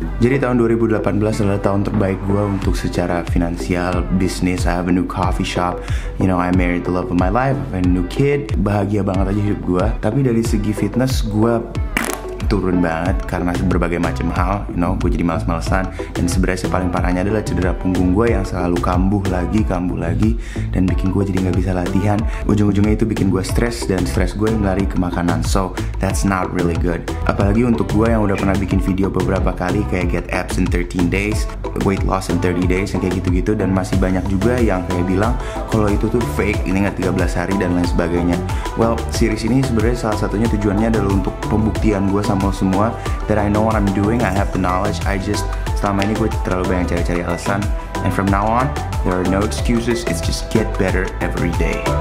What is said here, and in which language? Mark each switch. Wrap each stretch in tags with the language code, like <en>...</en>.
<id>Jadi tahun 2018 adalah tahun terbaik gue untuk secara finansial, bisnis.</id> <en>I have a new coffee shop, you know, I married the love of my life, I have a new kid.</en> <id>Bahagia banget aja hidup gue. Tapi dari segi fitness, gue turun banget karena berbagai macam hal,</id> <en>you know,</en> <id>gue jadi malas-malesan. Dan sebenarnya paling parahnya adalah cedera punggung gue yang selalu kambuh lagi dan bikin gue jadi nggak bisa latihan. Ujung-ujungnya itu bikin gue stres dan stres gue yang lari ke makanan.</id> <en>So that's not really good.</en> <id>Apalagi untuk gue yang udah pernah bikin video beberapa kali kayak get abs in 13 days, weight loss in 30 days, yang kayak gitu-gitu, dan masih banyak juga yang kayak bilang kalau itu tuh fake, ini nggak 13 hari dan lain sebagainya. Well, series ini sebenarnya salah satunya tujuannya adalah untuk pembuktian gue sama semua</id> <en>that I know what I'm doing, I have the knowledge, I just</en> <id>selama ini gue terlalu banyak cari-cari alasan.</id> <en>And from now on, there are no excuses, it's just get better every day.</en>